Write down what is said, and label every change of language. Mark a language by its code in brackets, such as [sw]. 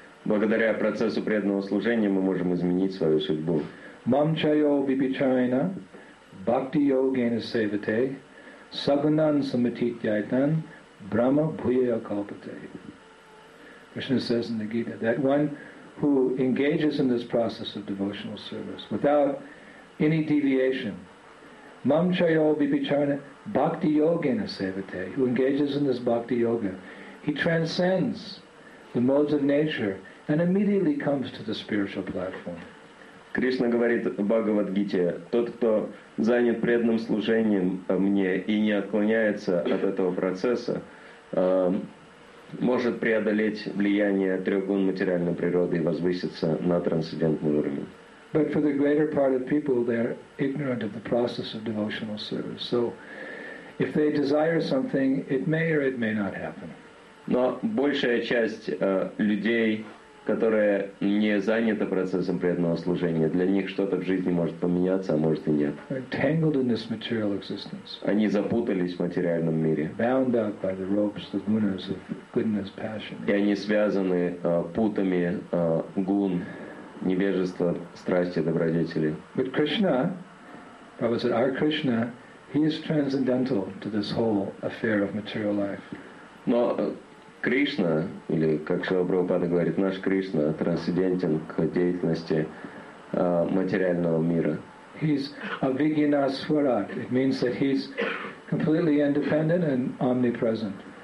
[ru] Благодаря процессу преданного служения мы можем изменить свою судьбу. [sa] Мамчайо бибичайна, бхакти йогена севате, сагунан самититтяйтан, брама бхуя калпате. [en] Krishna says in the Gita that one who engages in this process of devotional service without any deviation, [sa] мамчайо бибичайна, бхакти йогена севате, [en] who engages in this bhakti yoga, he transcends the modes of nature and immediately comes to the spiritual platform. [ru] Кришна говорит в Бхагавад-гите, тот, кто занят преданным служением мне и не отклоняется от этого процесса, может преодолеть влияние трех гун материальной природы и возвыситься на трансцендентный уровень. [en] But for the greater part of people, they're ignorant of the process of devotional service. So if they desire something, it may or it may not happen. [ru] Но большая часть людей, которые не заняты процессом преданного служения, для них что-то в жизни может поменяться, а может и нет. [en] Tangled in this material existence. [ru] Они запутались в материальном мире. [en] Bound up by the ropes, the gunas of goodness, passion. [ru] И они связаны путами гун, невежества, страсти, добродетели. [en] But Krishna, Prabhupada said, our Krishna, he is transcendental to this whole affair of material life. [ru] Но Кришна, или как Шрила Прабхупада говорит, наш Кришна трансцендентен к деятельности материального мира. [en] He's avijñā svarat. It means that he's completely independent and omnipresent.